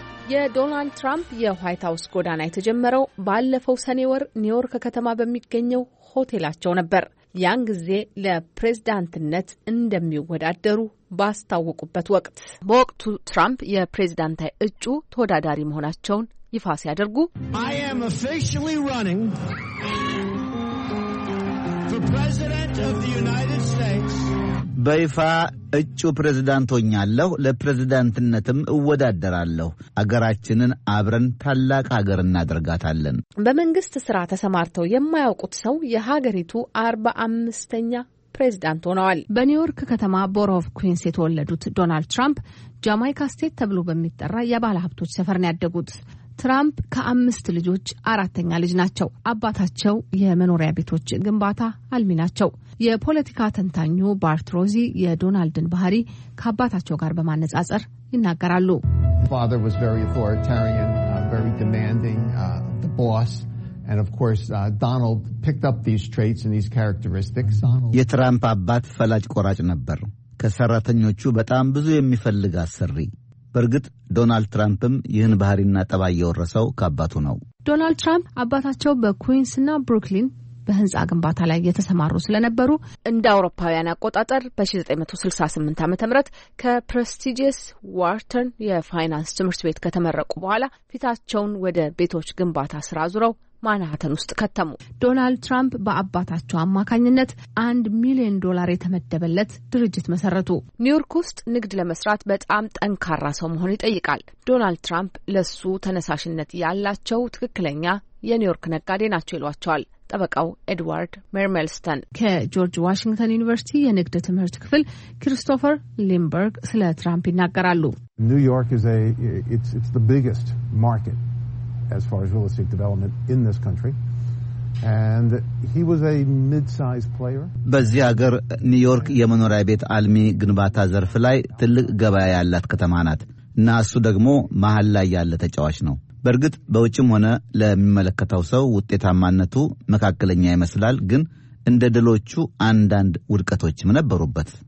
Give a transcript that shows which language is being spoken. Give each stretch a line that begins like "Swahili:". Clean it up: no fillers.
Amharic: የዶናልድ ትራምፕ የዋይት ሀውስ ጎዳና የተጀመረው ባለፈው ሰኔ ወር ኒውዮርክ ከተማ በሚገኘው ሆቴላቸው ነበር። ያን ጊዜ ለፕሬዝዳንትነት እንደሚወዳደሩ ባስታወቁበት ወቅት በወቅቱ ትራምፕ የፕሬዝዳንታዊ እጩ ተወዳዳሪ መሆናቸውን ይፋ ሲያደርጉ
English: I am officially running for president of the United States.
Amharic: በይፋ እጩ ፕሬዝዳንት ሆኛለሁ፣ ለፕሬዝዳንትነትም እወዳደራለሁ። አገራችንን አብረን ታላቅ ሀገር እናደርጋታለን። በመንግስት ስራ ተሰማርተው የማያውቁት ሰው የሀገሪቱ 45ኛ ፕሬዝዳንት ሆነዋል። በኒውዮርክ ከተማ ቦሮ ኦፍ ኩዊንስ የተወለዱት ዶናልድ ትራምፕ ጃማይካ ስቴት ተብሎ በሚጠራ የባለ ሀብቶች ሰፈር ነው ያደጉት። ትራምፕ ከአምስት ልጆች አራተኛ ልጅ ናቸው። አባታቸው የመኖሪያ ቤቶች ግንባታ አልሚ ናቸው። የፖለቲካ ተንታኙ ባርት ሮዚ የዶናልድን ባህሪ ከአባታቸው ጋር በማነጻጸር ይናገራሉ።
English: Father was very authoritarian, very demanding, the boss. And of course, Donald picked up these traits and these characteristics.
Amharic: የትራምፕ አባት ፈላጭ ቆራጭ ነበር። ከሰራተኞቹ በጣም ብዙ የሚፈልጋ ሰሪ። በርግጥ ዶናልድ ትራምፕም ይህን ባህሪና ጠባይ የወረሰው ከአባቱ ነው። ዶናልድ ትራምፕ አባታቸው በኩዊንስ እና ብሩክሊን በህንጻ ግንባታ ላይ የተሰማሩ ስለነበሩ እንደ አውሮፓውያን አቆጣጠር በ1968 ዓ.ም ከፕሬስቲጂየስ ዋርተን የፋይናንስ ትምህርት ቤት ከተመረቁ በኋላ ፊታቸውን ወደ ቤቶች ግንባታ ስራ አዙረው ማናሃተን ውስጥ ከተሙ። ዶናልድ ትራምፕ በአባታቸው አማካኝነት 1 ሚሊዮን ዶላር የተመደበለት ድርጅት መሰረቱ። ኒውዮርክ ውስጥ ንግድ ለመስራት በጣም ጠንካራ ሰው መሆን ይጠይቃል። ዶናልድ ትራምፕ ለሱ ተነሳሽነት ያላቸው ትክክለኛ የኒውዮርክ ነጋዴ ናቸው ይሏቸዋል። ጠበቃው ኤድዋርድ ሜርሜልስተን ከጆርጅ ዋሽንግተን ዩኒቨርሲቲ የንግድ ትምህርት ክፍል ክሪስቶፈር ሊምበርግ ስለ ትራምፕ ይናገራሉ።
English: ኒውዮርክ is a it's the biggest market as far as real estate development in this country and he was a mid-sized player
Amharic: በዚህ ሀገር ኒውዮርክ የመኖሪያ ቤት አልሚ ግንባታ ዘርፍ ላይ ትልቅ ገበያ ያላት ከተማ ናት እና እሱ ደግሞ መሃል ላይ ያለ ተጫዋች ነው። በርግጥ በውጭም ሆነ ለሚመለከተው ሰው ውጤታማነቱ መካከለኛ ይመስላል ግን እንደ ድሎቹ አንዳንድ ውድቀቶችም ነበሩበት።